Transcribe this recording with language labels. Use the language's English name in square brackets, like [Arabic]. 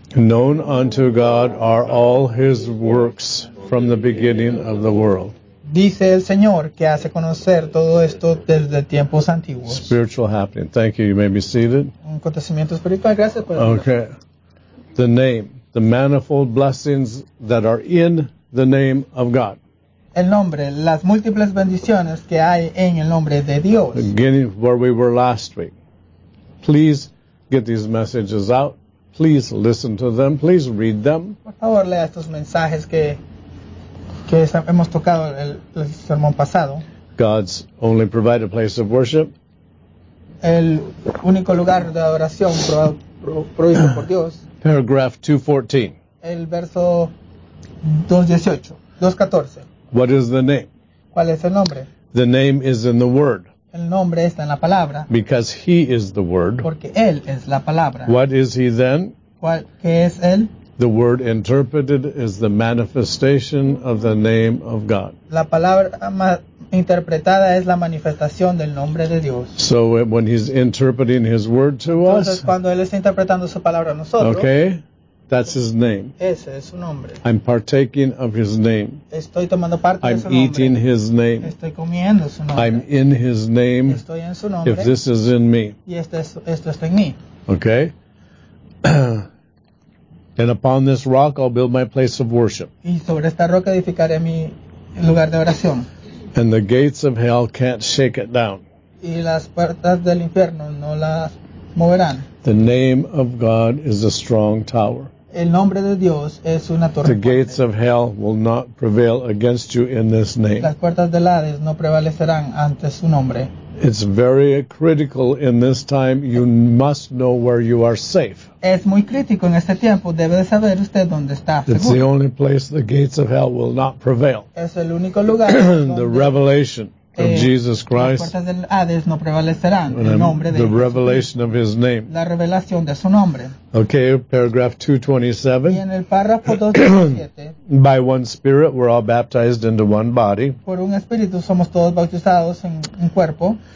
[English] Known unto God are all his works from the beginning of the world. [Spanish] Dice el Señor que hace conocer todo esto desde tiempos antiguos. [English] Spiritual happening. Thank you. You may be seated. [Spanish] Un acontecimiento espiritual. Gracias por el [English] okay. The name. The manifold blessings that are in the name of God. [Spanish] El nombre, las múltiples bendiciones que hay en el nombre de Dios. [English] Beginning where we were last week. Please get these messages out. Please listen to them. Please read them. [Spanish] Por favor, lea estos mensajes que hemos tocado el sermón pasado. [English] God's only provided a place of worship. [Spanish] El único lugar de adoración provisto por Dios. [English] Paragraph 214. [Spanish] El verso 214. [English] What is the name? [Spanish] ¿Cuál es el nombre? [English] The name is in the Word. [Spanish] El nombre está en la palabra. [English] Because He is the Word. [Spanish] Porque Él es la palabra. [English] What is He then? [Spanish] ¿Cuál, qué es Él? [English] The Word interpreted is the manifestation of the name of God. [Spanish] La palabra interpretada es la manifestación del nombre de Dios. [English] So when He's interpreting His Word to [Spanish] entonces, [English] us. [Spanish] Entonces cuando Él está interpretando su palabra a nosotros. [English] Okay. That's his name. [Spanish] Ese es su nombre. [English] I'm partaking of his name. [Spanish] Estoy tomando parte [English] I'm [Spanish] de su nombre. [English] Eating his name. [Spanish] Estoy comiendo su nombre. [English] I'm in his name. [Spanish] Estoy en su nombre. [English] If this is in me. [Spanish] Y esto está en mí. [English] Okay. And upon this rock I'll build my place of worship. [Spanish] Y sobre esta roca edificaré mi lugar de oración. [English] And the gates of hell can't shake it down. [Spanish] Y las puertas del infierno no las moverán. [English] The name of God is a strong tower. [Spanish] El nombre de Dios es una torre. [English] The gates of hell will not prevail against you in this name. [Spanish] Las puertas del Hades no prevalecerán ante su nombre. [English] It's very critical in this time. You must know where you are safe. [Spanish] Es muy crítico en este tiempo. Debe de saber usted dónde está seguro. [English] It's the only place the gates of hell will not prevail. [Spanish] Es el único lugar. [English] The revelation of Jesus Christ, [Spanish] las puertas del Hades no prevalecerán en el nombre de [English] the revelation of his name. [Spanish] La revelación de su nombre. [English] Okay, paragraph 227. [Spanish] Y en el párrafo 227. [English] By one spirit we're all baptized into one body. [Spanish] Por un espíritu somos todos bautizados en un cuerpo.